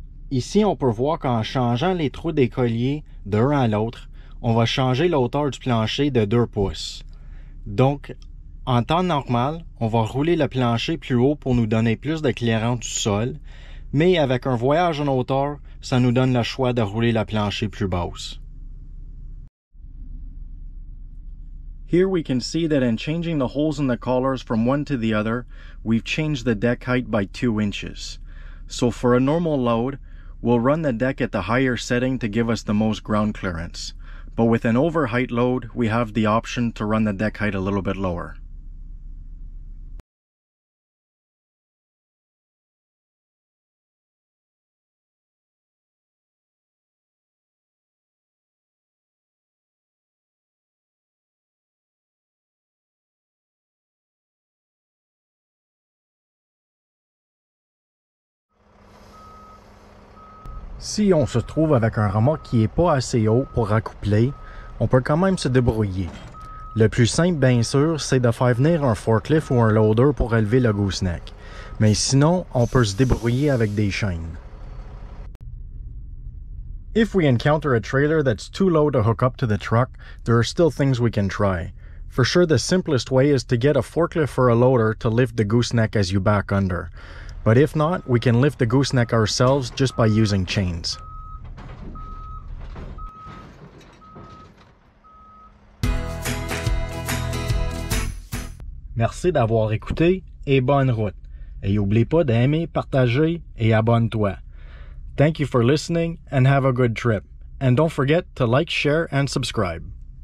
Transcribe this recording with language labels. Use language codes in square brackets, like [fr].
[fr] Ici, on peut voir qu'en changeant les trous des colliers d'un à l'autre, on va changer la hauteur du plancher de 2 pouces. Donc, en temps normal, on va rouler le plancher plus haut pour nous donner plus de clairance du sol, mais avec un voyage en hauteur, ça nous donne le choix de rouler le plancher plus basse. [en] Here we can see that in changing the holes in the collars from one to the other, we've changed the deck height by 2 inches. So for a normal load, we'll run the deck at the higher setting to give us the most ground clearance. But with an overheight load, we have the option to run the deck height a little bit lower. [fr] Si on se trouve avec un remorque qui n'est pas assez haut pour accoupler, on peut quand même se débrouiller. Le plus simple, bien sûr, c'est de faire venir un forklift ou un loader pour élever le gooseneck. Mais sinon, on peut se débrouiller avec des chaînes. [en] If we encounter a trailer that's too low to hook up to the truck, there are still things we can try. For sure, the simplest way is to get a forklift or a loader to lift the gooseneck as you back under. But if not, we can lift the gooseneck ourselves just by using chains. [fr] Merci d'avoir écouté et bonne route. Et n'oublie pas d'aimer, partager et abonne-toi. [en] Thank you for listening and have a good trip. And don't forget to like, share and subscribe.